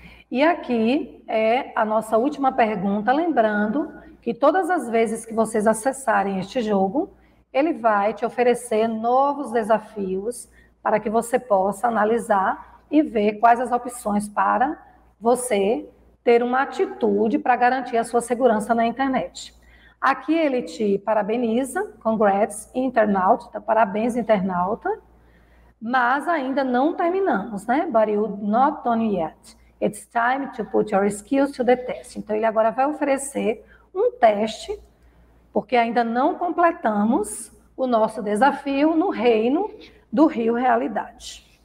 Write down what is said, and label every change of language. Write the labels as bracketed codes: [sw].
[pt] E aqui é a nossa última pergunta, lembrando que todas as vezes que vocês acessarem este jogo, ele vai te oferecer novos desafios para que você possa analisar e ver quais as opções para você ter uma atitude para garantir a sua segurança na internet. Aqui ele te parabeniza, congrats, internauta, parabéns, internauta, mas ainda não terminamos, né? [en] But you're not done yet. It's time to put your skills to the test. [pt] Então ele agora vai oferecer um teste, porque ainda não completamos o nosso desafio no reino do Rio Realidade.